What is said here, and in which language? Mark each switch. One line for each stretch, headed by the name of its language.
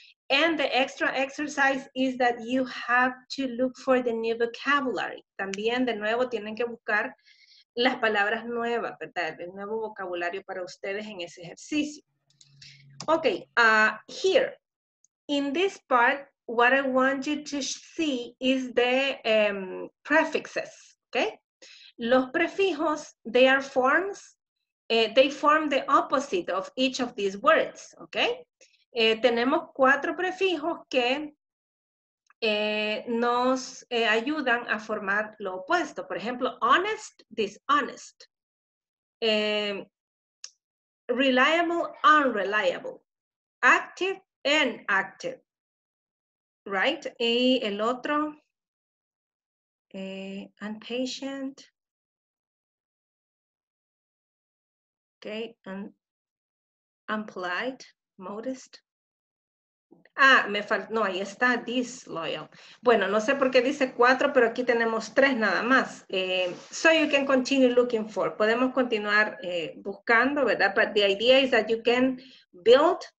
English: And the extra exercise is that you have to look for the new vocabulary.
Spanish: También, de nuevo, tienen que buscar las palabras nuevas, ¿verdad? El nuevo vocabulario para ustedes en ese ejercicio.
English: Okay, here, in this part, what I want you to see is the prefixes, okay?
Spanish: Los prefijos,
English: they are forms, they form the opposite of each of these words, okay?
Spanish: Tenemos 4 prefijos que nos ayudan a formar lo opuesto. Por ejemplo, honest, dishonest.
English: Reliable, unreliable. Active, inactive. Right?
Spanish: Y el otro, impatient.
English: Okay, and impolite, modest.
Spanish: Ah, me faltó, no, ahí está, disloyal. Bueno, no sé por qué dice cuatro, pero aquí tenemos tres nada más.
English: So you can continue looking for.
Spanish: Podemos continuar buscando, ¿verdad?
English: But the idea is that you can build.